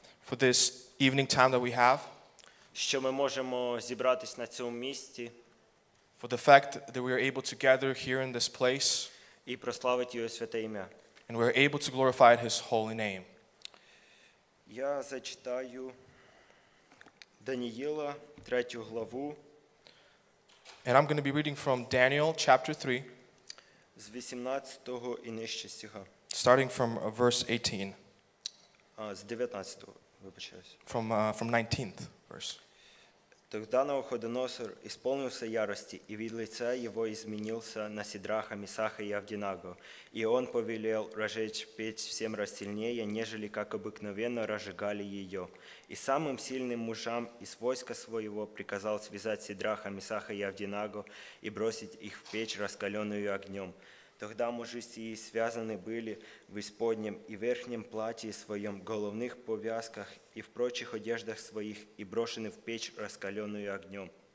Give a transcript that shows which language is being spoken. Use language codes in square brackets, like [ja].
[en] For this evening time that we have. [uk] Що ми можемо зібратись на цьому місці. [en] For the fact that we are able to gather here in this place. [uk] І прославити Його святе ім'я. [en] And we are able to glorify His holy name. [uk] Я зачитаю Даниїла, 3 главу. [en] And I'm going to be reading from Daniel, chapter 3. [uk] З 18-го і нижче стиха. [en] Starting from verse 18. [uk] З 19-го, вибачаюсь. [en] From 19th verse. [ru] Тогда Навуходоносор исполнился ярости, [uk] і від лиця його змінився на Сидраха, Місаха і Авдінаго. [ru] І он повелел разжечь печь в 7 раз сильнее, нежели как обыкновенно разжигали ее. И самым сильным мужам из войска своего приказал связать Сидраха, Месаха и Авдинаго и бросить их в печь, раскаленную огнем. Тогда мужи сии связаны были в исподнем и верхнем платье своем, головных повязках и в прочих одеждах своих, и брошены в печь, раскаленную огнем.